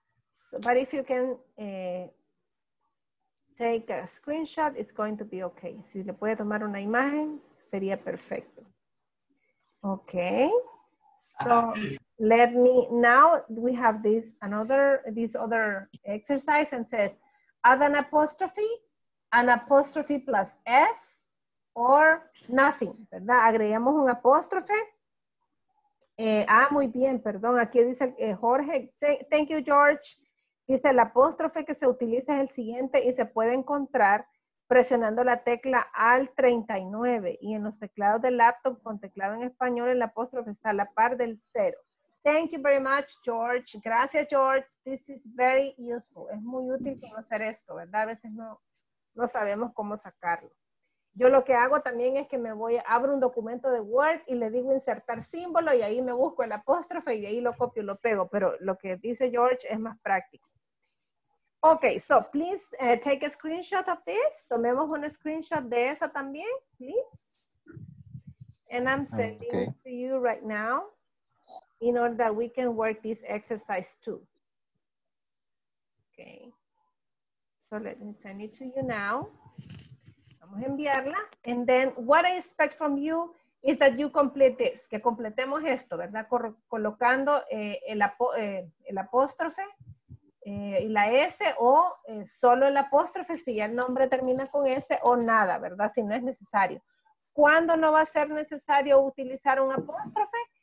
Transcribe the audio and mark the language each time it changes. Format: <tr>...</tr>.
<en>So, but if you can take a screenshot, it's going to be okay.</en> <es>Si le puede tomar una imagen, sería perfecto.</es> <en>Okay. So let me, now we have this other exercise and says, add an apostrophe plus S, or nothing,</en> <es>¿verdad? Agregamos un apóstrofe. Muy bien, perdón. Aquí dice Jorge.</es> <en>Thank you,</en> <es>George. Dice el apóstrofe que se utiliza es el siguiente y se puede encontrar presionando la tecla al 39. Y en los teclados del laptop con teclado en español, el apóstrofe está a la par del cero.</es> <en>Thank you very much, George.</en> <es>Gracias,</es> <en>George. This is very useful.</en> <es>Es muy útil conocer esto, ¿verdad? A veces no sabemos cómo sacarlo. Yo lo que hago también es que abro un documento de Word y le digo insertar símbolo y ahí me busco el apóstrofe y de ahí lo copio y lo pego. Pero lo que dice George es más práctico.</es> <en>Ok, so please take a screenshot of this.</en> <es>Tomemos un screenshot de esa también,</es> <en>please. And I'm sending it to you right now in order that we can work this exercise too. Ok. So let me send it to you now.</en> <es>Vamos a enviarla.</es> <en>And then what I expect from you is that you complete this,</en> <es>que completemos esto, ¿verdad? Colocando el apóstrofe y la S, o solo el apóstrofe si ya el nombre termina con S, o nada, ¿verdad? Si no es necesario. ¿Cuándo no va a ser necesario utilizar un apóstrofe?</es>